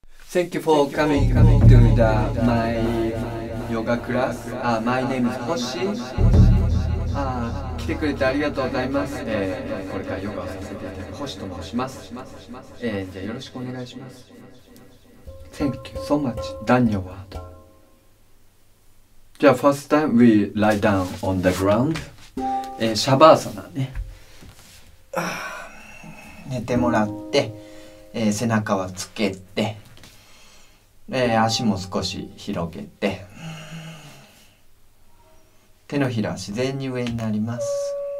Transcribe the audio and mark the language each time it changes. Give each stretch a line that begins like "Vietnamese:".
English: Thank you for coming to the my yoga class. My name is Hoshi.
Japanese: 来てくれてありがとうございます。これからヨガをさせていただく Hoshi と申します。じゃあよろしくお願いします。
English: Thank you so much, Daniel Ward. The first time we lie down on the ground.
Japanese: シャバーサナね。寝てもらって、背中はつけて、足も少し広げて、手のひら自然に上になります。